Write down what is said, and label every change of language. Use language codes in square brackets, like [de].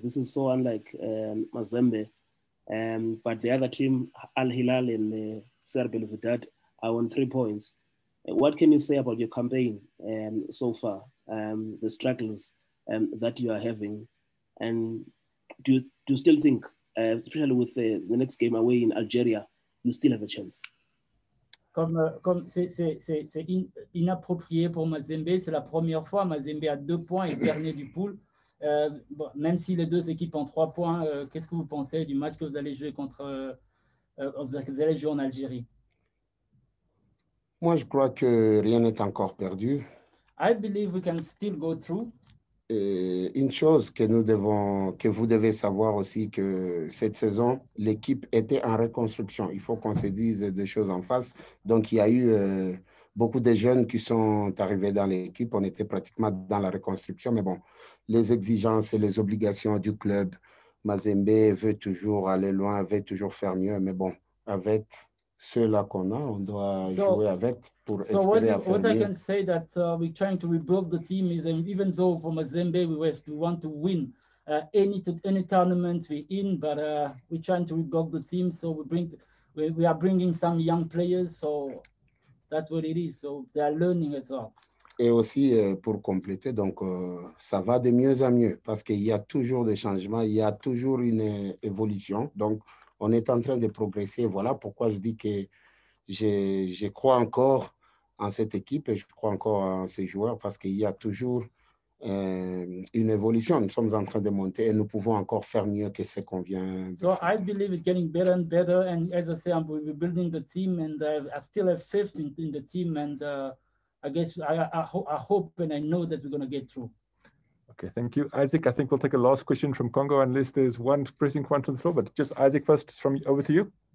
[en] This is so unlike Mazembe. But the other team, Al-Hilal and Ser Belvedere, are on 3 points. What can you say about your campaign so far, the struggles that you are having, and do you still think, especially with the next game away in Algeria, you still have a chance? [fr] Comme c'est inapproprié pour Mazembe, c'est la première fois. Mazembe a 2 points et dernier du pool. Bon, même si les deux équipes ont 3 points, qu'est-ce que vous pensez du match que vous allez jouer contre, vous allez jouer en Algérie? Moi, je crois que rien n'est encore perdu. [en] I believe we can still go through. [fr] Et une chose que nous devons, que vous devez savoir aussi, que cette saison, l'équipe était en reconstruction. Il faut qu'on se dise des choses en face. Donc, il y a eu beaucoup de jeunes qui sont arrivés dans l'équipe. On était pratiquement dans la reconstruction. Mais bon, les exigences et les obligations du club, Mazembe veut toujours aller loin, veut toujours faire mieux. Mais bon, avec ceux-là qu'on a, on doit jouer avec. [en] What I can say that we're trying to rebuild the team is, even though for Mazembe we want to win any tournament we're in, but we're trying to rebuild the team. So we are bringing some young players. So that's what it is. So they are learning as well. [fr] Et aussi pour compléter, donc ça va de mieux en mieux parce qu'il y a toujours des changements, il y a toujours une évolution. Donc on est en train de progresser. Voilà pourquoi je dis que je crois encore en cette équipe et je crois encore en ces joueurs parce qu'il y a toujours une évolution. Nous sommes en train de monter et nous pouvons encore faire mieux que ce qu'on vient de faire. [en] So I believe it's getting better and better, and as I say, I'm rebuilding the team, and I still have faith in the team, and I hope and I know that we're going to get through. Okay, thank you. Isaac, I think we'll take a last question from Congo unless there's one pressing one to the floor, but just Isaac first, from over to you.